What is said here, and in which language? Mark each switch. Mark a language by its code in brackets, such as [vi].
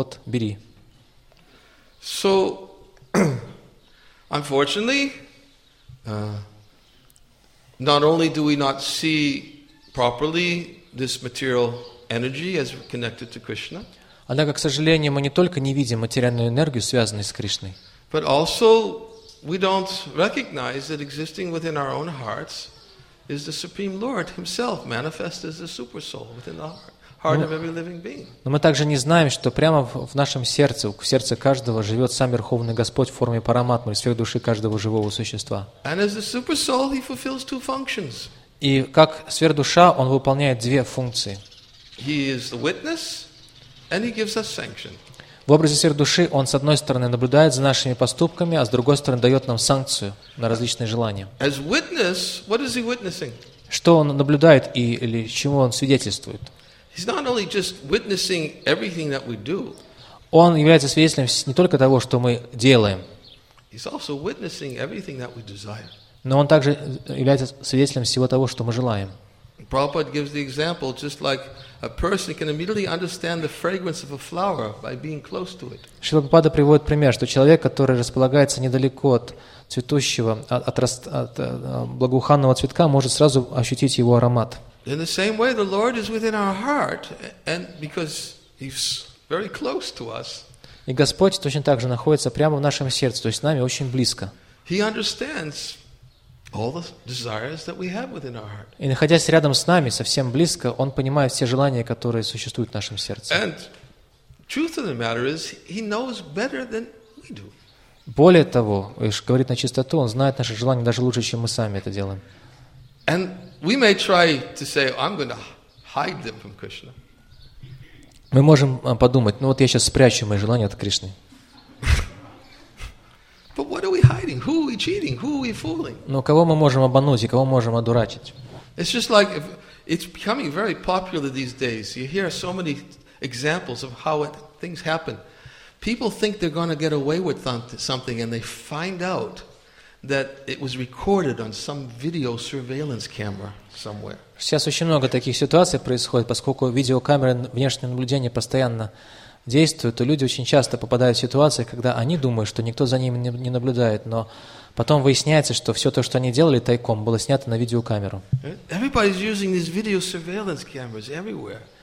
[ru] Вот, бери. [en] So, unfortunately, not only do we not see properly this material energy as connected to Krishna, [ru] однако, к сожалению, мы не только не видим материальную энергию, связанную с Кришной, [en] but also we don't recognize that existing within our own hearts is the Supreme Lord Himself, manifest as the Super Soul within the heart of every living being. [ru] Но мы также не знаем, что прямо в нашем сердце, в сердце каждого, живет сам Верховный Господь в форме Параматмы, сверх души каждого живого существа. [en] And as the Super Soul, He fulfills two functions. [ru] И как сверх душа, Он выполняет две функции. [en] He is the witness, and He gives us sanction. [ru] В образе сверх души Он, с одной стороны, наблюдает за нашими поступками, а с другой стороны, дает нам санкцию на различные желания. [en] As witness, what is He witnessing? [ru] Что Он наблюдает и, или чему Он свидетельствует? [en] He's not only just witnessing everything that we do. [ru] Он является свидетелем не только того, что мы делаем. [en] He's also witnessing everything that we desire. [ru] Но Он также является свидетелем всего того, что мы желаем. [en] Prabhupada gives the example just like a person can immediately understand the fragrance of a flower by being close to it. [ru] Шрила Прабхупада приводит пример, что человек, который располагается недалеко от цветущего, от благоуханного цветка, может сразу ощутить его аромат. [en] In the same way, the Lord is within our heart, and because He's very close to us. [ru] И Господь точно так же находится прямо в нашем сердце, то есть с нами очень близко. [en] He understands all the desires that we have within our heart. [ru] И находясь рядом с нами, совсем близко, Он понимает все желания, которые существуют в нашем сердце. [en] And truth of the matter is, He knows better than we do. [ru] Более того, уж говорит на чистоту, Он знает наши желания даже лучше, чем мы сами это делаем. [en] And we may try to say, I'm going to hide them from Krishna. [ru] Мы можем подумать, ну вот я сейчас спрячу мои желания от Кришны. [en] But what are we hiding? Who are we cheating? Who are we fooling? [ru] Но кого мы можем обмануть и кого можем одурачить? [en] It's just like, it's becoming very popular these days. You hear so many examples of how things happen. People think they're going to get away with something and they find out that it was recorded on some video surveillance camera somewhere. [ru] Сейчас очень много таких ситуаций происходит, поскольку видеокамеры внешнего наблюдения постоянно действуют, то люди очень часто попадают в ситуации, когда они думают, что никто за ними не наблюдает, но потом выясняется, что все то, что они делали тайком, было снято на видеокамеру. [en] Everybody's using these video surveillance cameras everywhere.